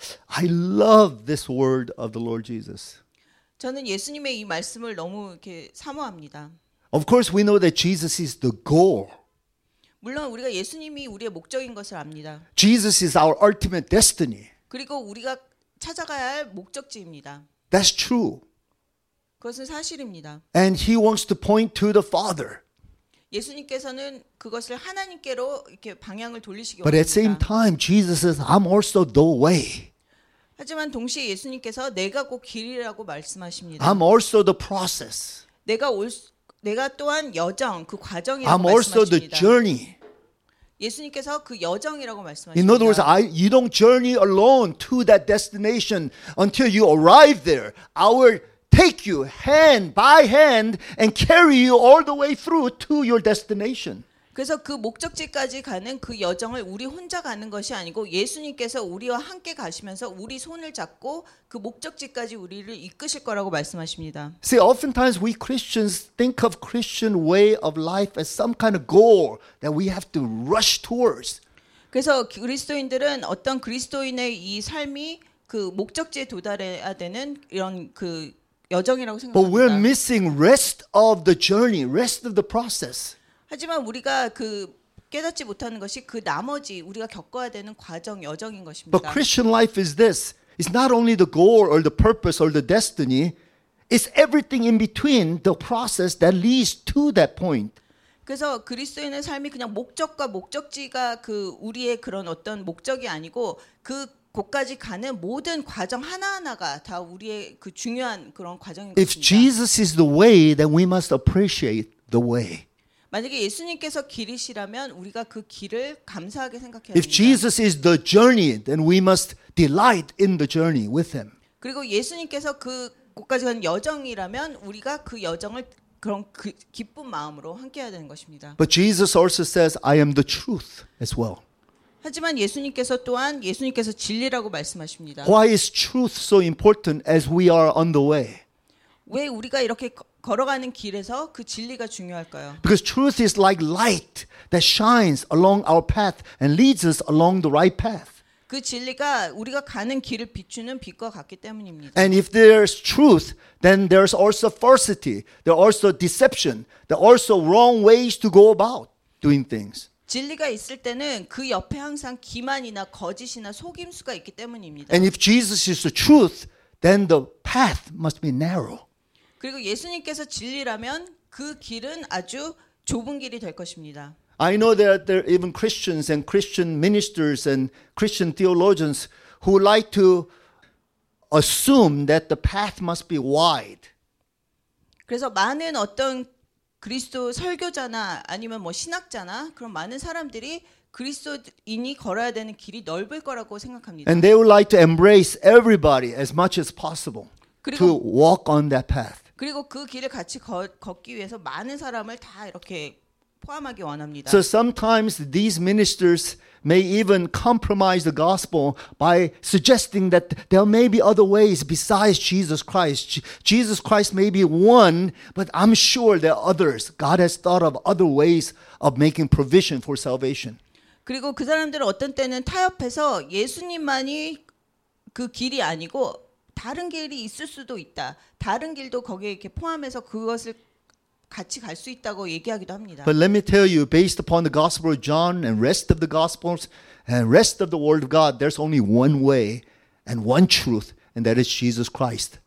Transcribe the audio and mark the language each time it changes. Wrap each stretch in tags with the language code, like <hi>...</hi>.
<en>I love this word of the Lord Jesus.</en> <ko>저는 예수님의 이 말씀을 너무 이렇게 사모합니다.</ko> <en>Of course we know that Jesus is the goal.</en> <ko>물론 우리가 예수님이 우리의 목적인 것을 압니다.</ko> <en>Jesus is our ultimate destiny.</en> <ko>그리고 우리가 찾아가야 할 목적지입니다.</ko> <en>That's true.</en> <ko>그것은 사실입니다.</ko> <en>And he wants to point to the Father.</en> <ko>예수님께서는 그것을 하나님께로 이렇게 방향을 돌리시기 원합니다.</ko> <en>But at the same time, Jesus says, "I'm also the way."</en> <ko>하지만 동시에 예수님께서 내가 곧 길이라고 말씀하십니다.</ko> <en>I'm also the process.</en> <ko>내가 또한 여정, 그 과정이라고</ko> <en>I'm</en> <ko>말씀하십니다.</ko> <en>I'm also the journey.</en> <ko>예수님께서 그 여정이라고 말씀하십니다.</ko> <en>In other words, you don't journey alone to that destination until you arrive there. I will take you hand by hand and carry you all the way through to your destination.</en> <ko>그래서 그 목적지까지 가는 그 여정을 우리 혼자 가는 것이 아니고 예수님께서 우리와 함께 가시면서 우리 손을 잡고 그 목적지까지 우리를 이끄실 거라고 말씀하십니다.</ko> <en>See, oftentimes we Christians think of Christian way of life as some kind of goal that we have to rush towards.</en> <ko>그래서 그리스도인들은 어떤 그리스도인의 이 삶이 그 목적지에 도달해야 되는 이런 그 여정이라고 생각합니다.</ko> <en>But we're missing rest of the journey, rest of the process.</en> <ko>하지만 우리가 그 깨닫지 못하는 것이 그 나머지 우리가 겪어야 되는 과정, 여정인 것입니다.</ko> <en>But Christian life is this. It's not only the goal or the purpose or the destiny. It's everything in between the process that leads to that point.</en> <ko>그래서 그리스도인의 삶이 그냥 목적과 목적지가 그 우리의 그런 어떤 목적이 아니고 그 곳까지 가는 모든 과정 하나하나가 다 우리의 그 중요한 그런 과정입니다.</ko> <en>If Jesus is the way, then we must appreciate the way.</en> <ko>만약에 예수님께서 길이시라면 우리가 그 길을 감사하게 생각해야 합니다.</ko> <en>If Jesus is the journey, then we must delight in the journey with him.</en> <ko>그리고 예수님께서 그 곳까지 가는 여정이라면 우리가 그 여정을 그런 그 기쁜 마음으로 함께 해야 되는 것입니다.</ko> <en>But Jesus also says I am the truth as well.</en> <ko>하지만 예수님께서 또한 예수님께서 진리라고 말씀하십니다.</ko> <en>Why is truth so important as we are on the way?</en> <ko>왜 우리가 이렇게 걸어가는 길에서 그 진리가 중요할까요?</ko> <en>Because truth is like light that shines along our path and leads us along the right path.</en> <ko>그 진리가 우리가 가는 길을 비추는 빛과 같기 때문입니다.</ko> <en>And if there's truth, then there's also falsity, there's also deception, there's also wrong ways to go about doing things.</en> <ko>진리가 있을 때는 그 옆에 항상 기만이나 거짓이나 속임수가 있기 때문입니다.</ko> <en>And if Jesus is the truth, then the path must be narrow.</en> <ko>그리고 예수님께서 진리라면 그 길은 아주 좁은 길이 될 것입니다.</ko> <en>I know that there are even Christians and Christian ministers and Christian theologians who like to assume that the path must be wide.</en> <ko>그래서 많은 어떤 그리스도 설교자나 아니면 뭐 신학자나 그런 많은 사람들이 그리스도인이 걸어야 되는 길이 넓을 거라고 생각합니다.</ko> <en>And they would like to embrace everybody as much as possible to walk on that path.</en> <ko>그리고 그 길을 같이 걷기 위해서 많은 사람을 다 이렇게 포함하기 원합니다.</ko> <en>So sometimes these ministers may even compromise the gospel by suggesting that there may be other ways besides Jesus Christ. Jesus Christ may be one, but I'm sure there are others. God has thought of other ways of making provision for salvation.</en> <ko>그리고 그 사람들은 어떤 때는 타협해서 예수님만이 그 길이 아니고 다른 길이 있을 수도 있다. 다른 길도 거기에 이렇게 포함해서 그것을 같이 갈 수 있다고 얘기하기도 합니다.</ko> <en>But let me tell you, based upon the Gospel of John and rest of the Gospels and rest of the Word of God, there's only one way and one truth, and that is Jesus Christ.</en>